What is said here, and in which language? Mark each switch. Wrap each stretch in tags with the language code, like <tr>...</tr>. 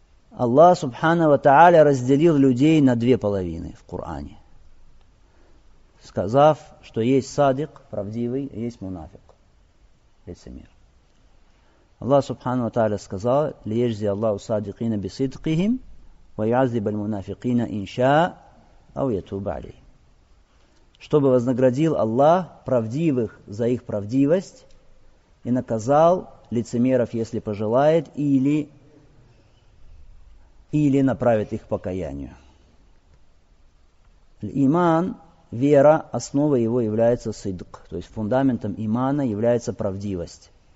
<ru>Аллах Субхана ва Тааля разделил людей на две половины в Коране, сказав, что есть садик, правдивый, и есть мунафик, лицемер. Аллах Субхана ва Тааля сказал: «Лиежзи Аллаху садикина бисидкихим,</ru> <ar>ويعذب المنافقين إن شاء أو يتوب عليهم.</ar> <ru>Чтобы вознаградил Аллах правдивых за их правдивость и наказал лицемеров, если пожелает, или направит их к покаянию. Иман, вера, основой его является сидк, то есть фундаментом имана является правдивость.</ru>